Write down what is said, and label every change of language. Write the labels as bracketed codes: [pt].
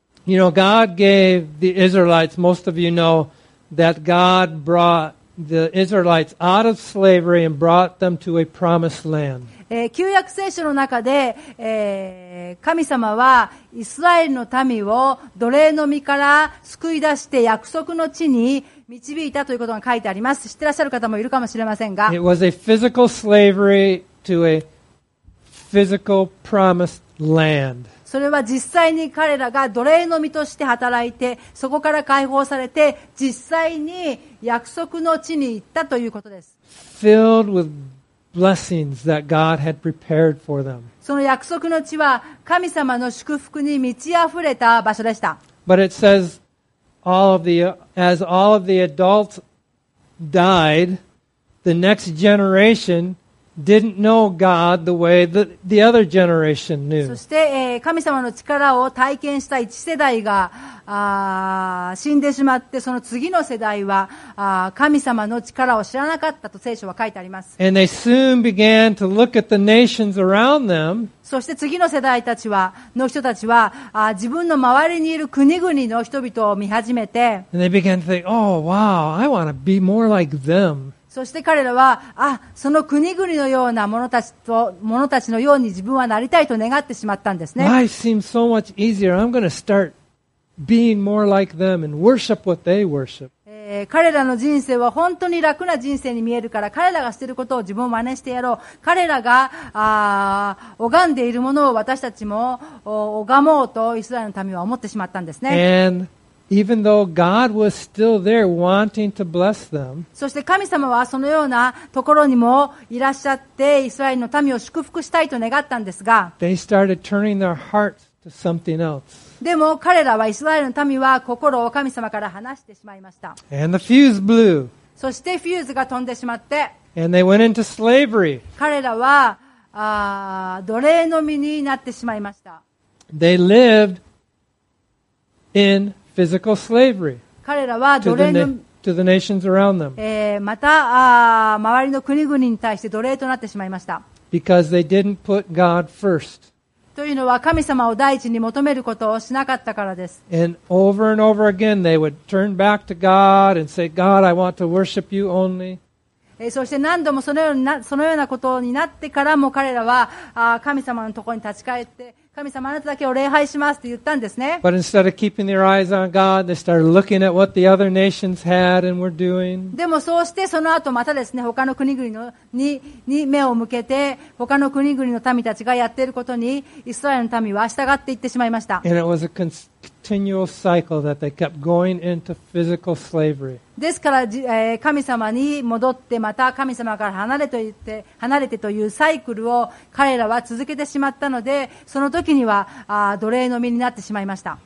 [en] You know, God gave the Israelites, most of you know, that God brought the Israelites out of slavery and brought them to a promised land. [ja] 旧約聖書の中で、神様はイスラエルの民を奴隷の身から救い出して約束の地に導いたということが書いてあります。知ってらっしゃる方もいるかもしれませんが、 [en] It was a physical slavery to a physical promised land. [ja] それは実際に彼らが奴隷の身として働いて、そこから解放されて実際に約束の地に行ったということです。 [en] Filled with blessings that God had prepared for them. [ja] その約束の地は神様の祝福に満ち溢れた場所でした。 [en] But it says, as all of the adults died, the next generation didn't know God the way that the other generation knew. [ja] そして、神様の力を体験した一世代が死んでしまって、その次の世代は神様の力を知らなかったと聖書は書いてあります。 [en] And they soon began to look at the nations around them. [ja] そして次の世代たちは、の人たちは自分の周りにいる国々の人々を見始めて、 [en] And they began to think, oh wow, I want to be more like them. [ja] そして彼らは、あ、その国々のような者たちのように自分はなりたいと願ってしまったんですね。 [en] Life seems so much easier. I'm going to start being more like them and worship what they worship. [ja] 彼らの人生は本当に楽な人生に見えるから、彼らがしていることを自分を真似してやろう。彼らが拝んでいるものを私たちも拝もうとイスラエルの民は思ってしまったんですね。 [en] And... Even though God was still there wanting to bless them, [ja] そして神様はそのようなところにもいらっしゃってイスラエルの民を祝福したいと願ったんですが、 [en] they started turning their hearts to something else. [ja] でも彼らはイスラエルの民は心を神様から離してしまいました。 [en] And the fuse blew. [ja] そしてフューズが飛んでしまって、 [en] And they went into slavery. [ja] 彼らは奴隷の身になってしまいました。 [en] They lived in physical slavery. [ja] 彼らは奴隷の [en] to the nations around them. [ja] また周りの国々に対して奴隷となってしまいました。 [en] Because they didn't put God first. [ja] というのは神様を第一に求めることをしなかったからです。 [en] And over and over again, they would turn back to God and say, "God, I want to worship you only." [ja] そして何度もそのようなことになってからも彼らは神様のところに立ち返って。神様あなただけを礼拝しますと言ったんですね。 [en] But instead of keeping their eyes on God, they started looking at what the other nations had and were doing. [ja] でもそうしてその後またですね、他の国々のに目を向けて、他の国々の民たちがやっていることにイスラエルの民は従っていってしまいました。 [en] And it was a continual cycle that they kept going into physical slavery. [ja] ですから、神様に戻ってまた神様から離れてというサイクルを彼らは続けてしまったので、その時には奴隷の身になってしまいました。